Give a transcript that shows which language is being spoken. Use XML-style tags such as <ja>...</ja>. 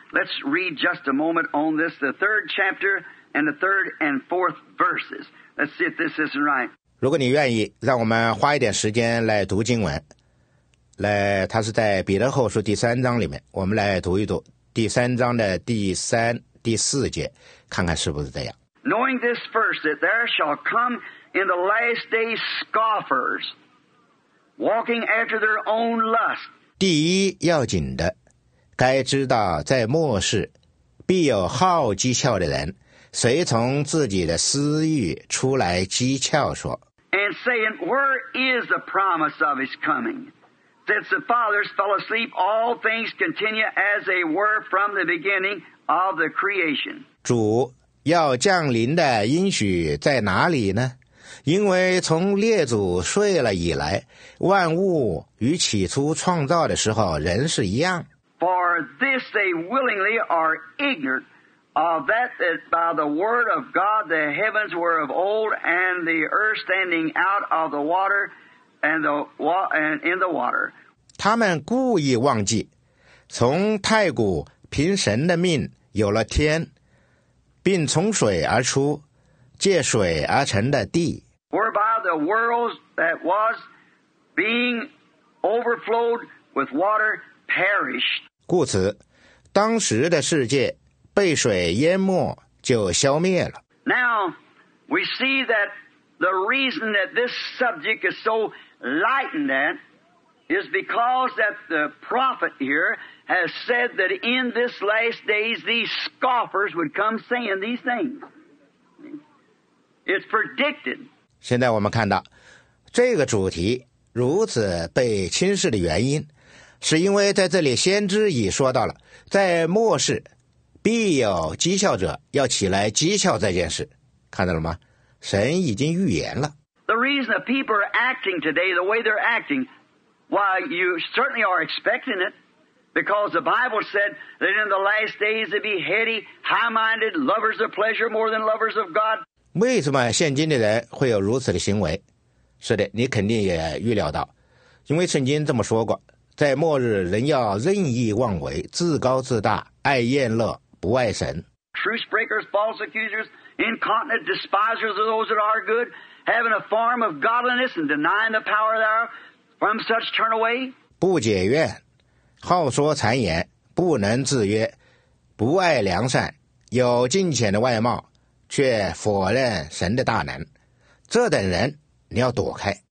<en>Let's read just a moment on this, the third chapter and the third and fourth verses. Let's see if this isn't right.</en> <zh>如果你愿意，让我们花一点时间来读经文。来，它是在彼得后书第三章里面，我们来读一读第三章的第三、第四节，看看是不是这样。</zh> <en>Knowing this first, that there shall come in the last days scoffers, walking after their own lust.</en> <zh>第一要紧的该知道在末世必有好讥诮的人随从自己的私欲出来讥诮说</zh> <en>And saying, where is the promise of his coming? Since the fathers fell asleep, all things continue as they were from the beginning of the creation.</en> <zh>主要降临的应许在哪里呢因为从列祖睡了以来万物与起初创造的时候人是一样</zh> <en>For this they willingly are ignorant of that by the word of God the heavens were of old and the earth standing out of the water and in the water</en> <zh>他们故意忘记从太古凭神的命有了天并从水而出借水而成的地</zh> <en>whereby the world that was being overflowed with water perished</en> <zh>故此当时的世界被水淹没就消灭了</zh> <en>Now we see that the reason that this subject is so lightened at is because that the prophet here has said that in this last days these scoffers would come saying these things It's predicted.</en> <zh>现在我们看到这个主题如此被轻视的原因是因为在这里先知已说到了在末世必有讥诮者要起来讥诮这件事看到了吗神已经预言了</zh> <en>The reason that people are acting today the way they're acting why you certainly are expecting it because the Bible said that in the last days they'd be heady high-minded lovers of pleasure more than lovers of God</en> <zh>为什么现今的人会有如此的行为是的你肯定也预料到因为圣经这么说过在末日人要任意妄为自高自大爱厌乐不爱神</zh> <en>Truth breakers, false accusers, incontinent despisers of those that are good having a form of godliness and denying the power thereof from such turn away</en> <zh>不解怨好说谗言不能自约不爱良善有敬虔的外貌却否认神的大能这等人你要躲开</zh>